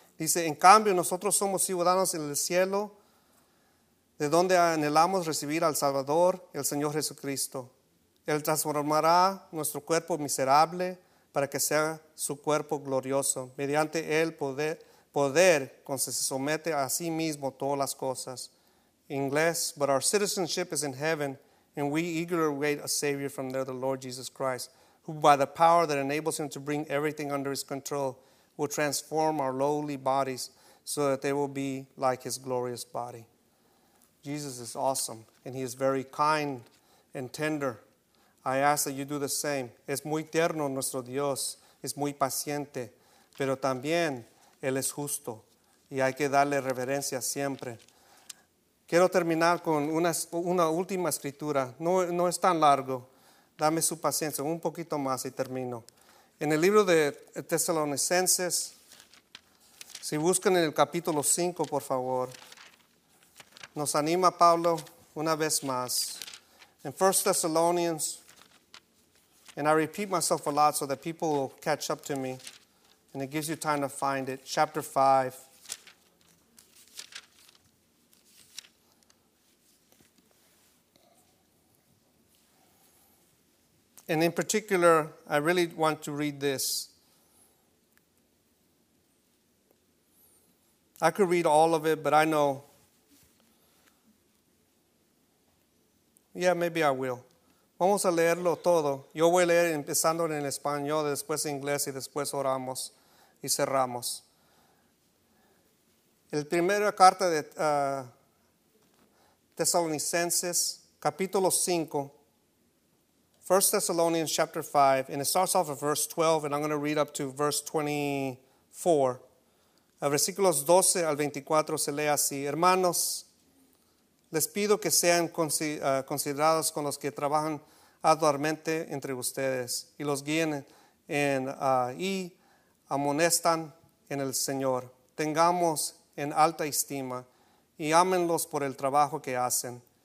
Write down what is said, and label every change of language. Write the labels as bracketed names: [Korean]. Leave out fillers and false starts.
[Spanish] Dice, en cambio, nosotros somos ciudadanos en el cielo, de donde anhelamos recibir al Salvador, el Señor Jesucristo. Él transformará nuestro cuerpo miserable para que sea su cuerpo glorioso. Mediante el poder con que se somete a sí mismo todas las cosas. [English] Inglés, but our citizenship is in heaven, and we eagerly await a Savior from there, the Lord Jesus Christ, who by the power that enables Him to bring everything under His control, will transform our lowly bodies so that they will be like His glorious body. Jesus is awesome, and He is very kind and tender. I ask that you do the same. [Spanish] Es muy tierno nuestro Dios, es muy paciente, pero también Él es justo Y hay que darle reverencia siempre. Quiero terminar con una última escritura. No es tan largo. Dame su paciencia un poquito más y termino. En el libro de Tesalonicenses, si buscan en el capítulo 5, por favor, nos anima Pablo una vez más. [English] En 1 Thessalonians, and I repeat myself a lot so that people will catch up to me, and it gives you time to find it. Chapter 5. And in particular, I really want to read this. I could read all of it, but I know. Yeah, maybe I will. [Spanish] Vamos a leerlo todo. Yo voy a leer empezando en español, después en inglés, y después oramos y cerramos. El primera carta de Tesalonicenses, capítulo 5. [English] 1 Thessalonians chapter 5, and it starts off at verse 12, and I'm going to read up to verse 24. [Spanish] Versículos 12 al 24 se lee así. Hermanos, les pido que sean considerados con los que trabajan arduamente entre ustedes y los guíen y amonestan en el Señor. Tengamos en alta estima y ámenlos por el trabajo que hacen.